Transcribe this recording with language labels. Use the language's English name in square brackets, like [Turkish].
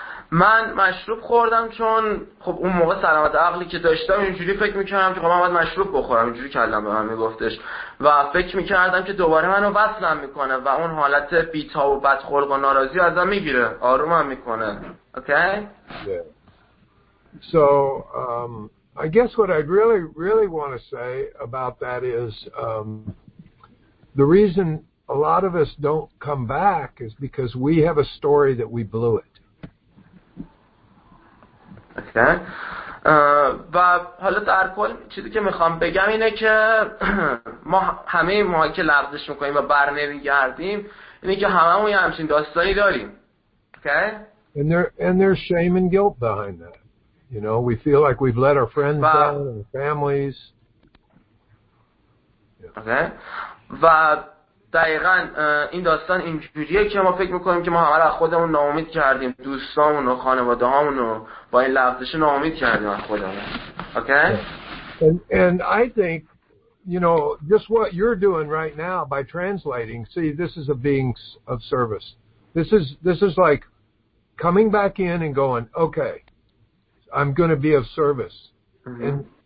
[Persian] من مشروب خوردم چون خب اون موقع سلامت عقلی که داشتم اینجوری فکر میکردم که خب من باید مشروب بخورم اینجوری کلم به من میگفتش و فکر میکردم که دوباره منو وصلم میکنه و اون حالت بیتاب و بدخلق و ناراضی ازم میگیره آرومم میکنه. [English] Okay? So I guess what I'd really, really want to say about that is the reason a lot of us don't come back is because we have a story that we blew it. Okay. [Persian] و حالا در کل چیزی که میخوام بگم اینه که ما همه ماهی که لغزش میکنیم و بر نمیگردیم اینه که همه ما یه همچین داستانی داریم. [English] Okay? And there's shame and guilt behind that. You know, we feel like we've let our friends down, our families. Yeah. Okay. [Persian] و دقیقاً این داستان اینجوریه که ما فکر میکنیم که ما همه را خودمون ناامید کردیم، دوستامون و خانواده‌هامون رو با این لغزش ناامید کردیم از خودمون. [English] Okay? And I think, you know, just what you're doing right now by translating, see, this is a being of service. This is like coming back in and going, okay, I'm going to be of service. Mm-hmm.